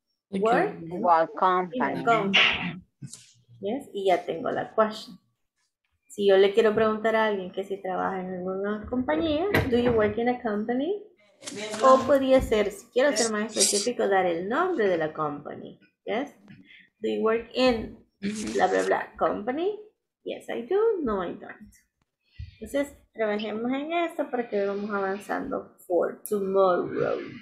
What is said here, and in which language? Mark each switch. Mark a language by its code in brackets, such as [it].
[en] work, igual, company. [es] Company. ¿Yes? Y ya tengo la question. Si yo le quiero preguntar a alguien que si trabaja en alguna compañía, [en] do you work in a company? [es] O podría ser, si quiero ser más específico, dar el nombre de la company. [en] Yes. Do you work in bla bla bla company? Yes, I do. No, I don't. [es] Entonces, trabajemos en esto para que vamos avanzando [en] for tomorrow.